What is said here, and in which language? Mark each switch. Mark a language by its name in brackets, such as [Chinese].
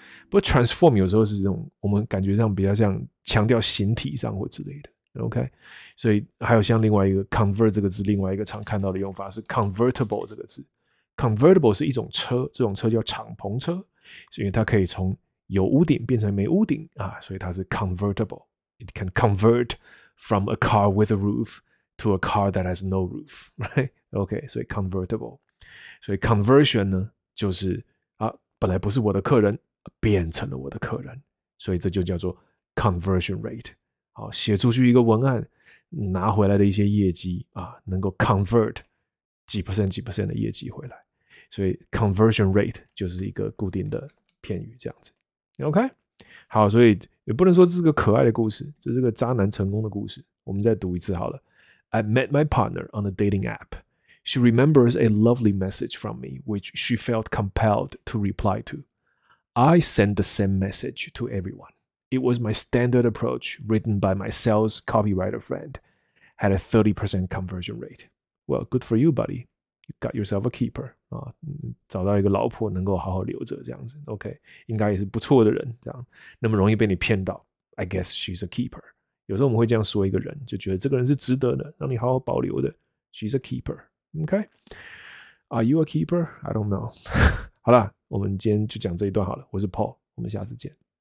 [Chinese] 不过 transform 有时候是这种我们感觉上比较像强调形体上或之类的。 OK， 所以还有像另外一个 convert 这个字，另外一个常看到的用法是 convertible 这个字。 convertible 是一种车，这种车叫敞篷车，所以它可以从有屋顶变成没屋顶啊，所以它是 convertible。 [English] It can convert from a car with a roof. To a car that has no roof, right? Okay, so convertible. [Chinese] So conversion 呢，就是啊，本来不是我的客人，变成了我的客人。所以这就叫做 conversion rate. 好，写出去一个文案，拿回来的一些业绩啊，能够 convert 几 percent 几 percent 的业绩回来。所以 conversion rate 就是一个固定的片语这样子。 Okay, 好，所以也不能说这是个可爱的故事，这是个渣男成功的故事。我们再读一次好了。 [English] I met my partner on a dating app. She remembers a lovely message from me, which she felt compelled to reply to. I sent the same message to everyone. It was my standard approach written by my sales copywriter friend. Had a 30% conversion rate. Well, good for you, buddy. You got yourself a keeper. [Chinese] 找到一个老婆能够好好留着这样子。OK, 应该也是不错的人这样。那么容易被你骗到。 [English] I guess she's a keeper. [Chinese] 有时候我们会这样说一个人，就觉得这个人是值得的，让你好好保留的。 [English] She's a keeper. [Chinese] OK? [English] Are you a keeper? I don't know. [Chinese] 好啦，我们今天就讲这一段好了。我是 Paul, 我们下次见。